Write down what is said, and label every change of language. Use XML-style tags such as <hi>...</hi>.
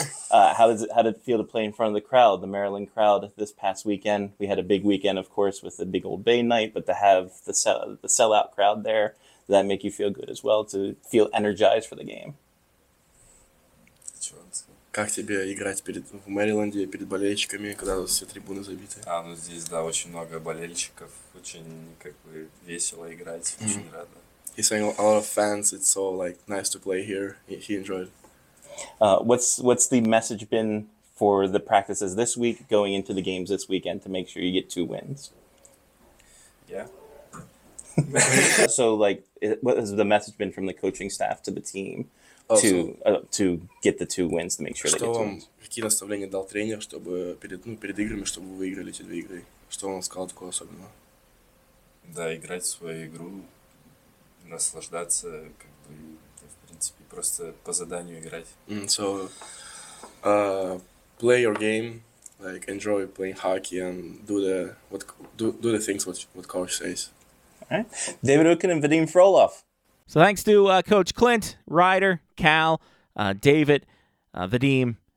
<en>How did it feel to play in front of the crowd, the Maryland crowd, this past weekend? We had a big weekend, of course, with the big old Bay night, but to have the sellout crowd there, does that make you feel good as well, to feel energized for the game?</en> <ru>Как тебе играть перед в Мэриленде перед болельщиками, когда все трибуны забиты? А, ну здесь, да, очень много болельщиков, очень как бы весело играть, mm-hmm. очень рада.</ru> <en>He's saying a lot of fans, it's so like nice to play here. He enjoyed. What's the message been for the practices this week going into the games this weekend to make sure you get 2 wins? Yeah. So like what has the message been from the coaching staff to the team to get the 2 wins to make sure they get 2 wins?</en> <ru>Какие наставления дал тренер, чтобы перед, ну, перед играми, чтобы выиграли эти 2 игры? Что он сказал такого особенного? Да, играть в свою игру. Наслаждаться, как бы, в принципе, просто по заданию играть.</ru> <en>Mm, so, play your game, like, enjoy playing hockey and do the things what coach says. All right. David Utkin and Vadim Frolov. So thanks to Coach Clint, Ryder, Cal, David, Vadim,</en>